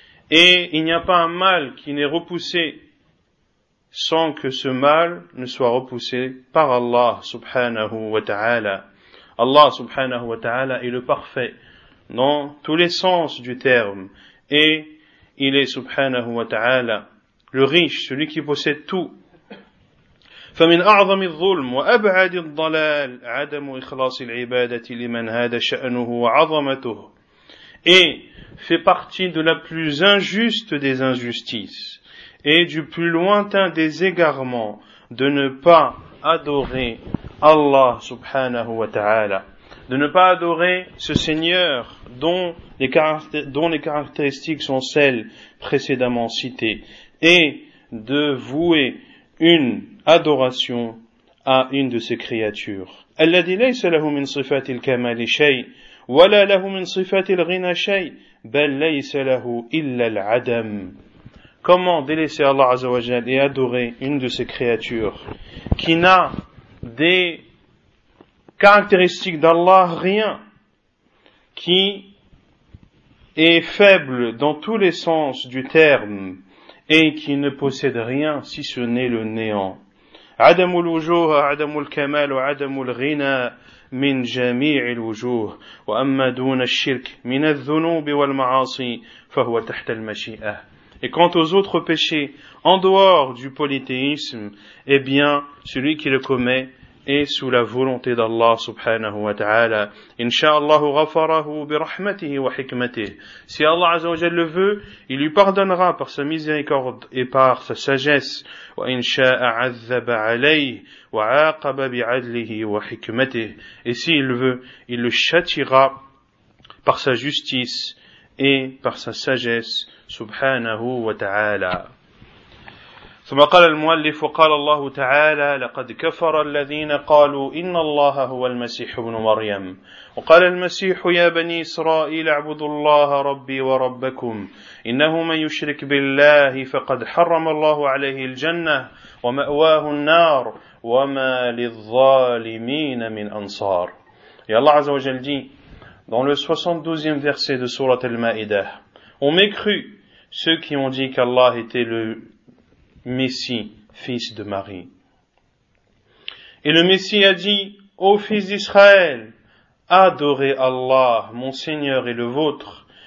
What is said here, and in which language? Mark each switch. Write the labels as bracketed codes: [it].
[fr] Et il n'y a pas un mal qui n'est repoussé sans que ce mal ne soit repoussé par Allah subhanahu wa ta'ala. Allah subhanahu wa ta'ala est le parfait dans tous les sens du terme et il est subhanahu wa ta'ala le riche, celui qui possède tout. [ar] فمن اعظم الظلم وابعد الضلال عدم اخلاص العباده لمن هذا شانه وعظمته. [fr] Et fait partie de la plus injuste des injustices et du plus lointain des égarements de ne pas adorer Allah subhanahu wa ta'ala, de ne pas adorer ce Seigneur dont les caractéristiques sont celles précédemment citées, et de vouer une adoration à une de ses créatures. « [ar] Alladhi laysa lahu min sifati al-kamali shay' ولا له من صفات الغنى شيء بل ليس له إلا العدم. [fr] Comment délaisser Allah Azza wa Jal et adorer une de ses créatures qui n'a des caractéristiques d'Allah rien, qui est faible dans tous les sens du terme et qui ne possède rien si ce n'est le néant. [ar] عدم الوجوه عدم الكمال وعدم الغنى من جميع الوجوه وأما دون الشرك من الذنوب والمعاصي فهو تحت المشيئة. [fr] Et quant aux autres péchés en dehors du polythéisme, eh bien celui qui le commet est sous la volonté d'Allah subhanahu wa ta'ala. [ar] Inch'Allah ghafarahu bi rahmatihi wa hikmatihi. [fr] Si Allah azza wa jalla le veut, il lui pardonnera par sa miséricorde et par sa sagesse. [ar] Wa insha'a 'adhaba 'alayhi wa 'aqaba bi 'adlihi wa hikmatihi. [fr] Et s'il le veut, il le châtiera par sa justice et par sa sagesse subhanahu wa ta'ala. [ar] ثم قال المؤلف وقال الله تعالى لقد كفر الذين قالوا إن الله هو المسيح ابن مريم وقال المسيح يا بني إسرائيل اعبدوا الله ربي وربكم إنه من يشرك بالله فقد حرم الله عليه الجنة ومأواه النار وما للظالمين من أنصار. يا الله عز وجل دي [fr] dans le 72e verset de sourate al-Ma'idah, on mécru ceux qui ont dit qu'Allah était le Messie, fils de Marie. Et le Messie a dit, ô fils d'Israël, adorez Allah, mon Seigneur et le vôtre.